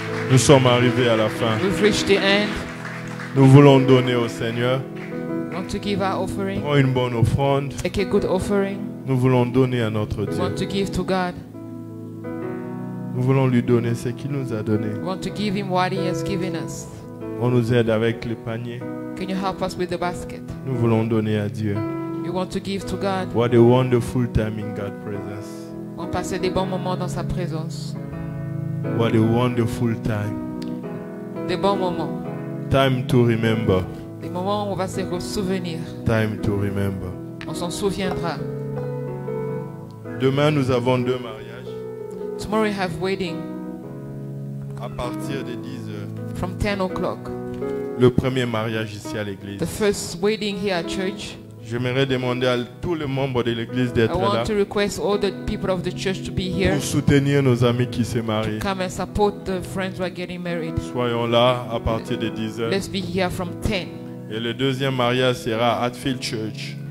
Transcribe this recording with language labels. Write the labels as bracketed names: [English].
[French] Nous sommes arrivés à la fin. [English] We've reached the end. [French] Nous voulons donner au Seigneur. [English] We want to give our offering. [French] Prends une bonne offrande. [English] Take a good offering. [French] Nous voulons donner à notre Dieu. [English] We want to give to God. [French] Nous voulons lui donner ce qu'il nous a donné. [English] We want to give him what he has given us. [French] On nous aide avec le panier. [English] Can you help us with the basket? [French] Nous voulons donner à Dieu. [English] You want to give to God. What a wonderful time in God's presence. [French] On passait des bons moments dans sa présence. [English] What a wonderful time. [French] Des bons moments. [English] Time to remember. [French] Des moments où on va se souvenir. [English] Time to remember. [French] On s'en souviendra. Demain nous avons deux mariages. [English] Tomorrow we have wedding. [French] À partir de 10h. [English] From 10 o'clock. [French] Le premier mariage ici à l'église. [English] The first wedding here at church. [French] J'aimerais demander à tous les membres de l'église d'être là. [English] I want to request all the people of the church to be here. [French] Pour soutenir nos amis qui se marient. [English] To come and support the friends who are getting married. [French] Soyons là à partir de 10h. [English] Let's be here from 10. [French] Et le deuxième mariage sera à Hatfield Church.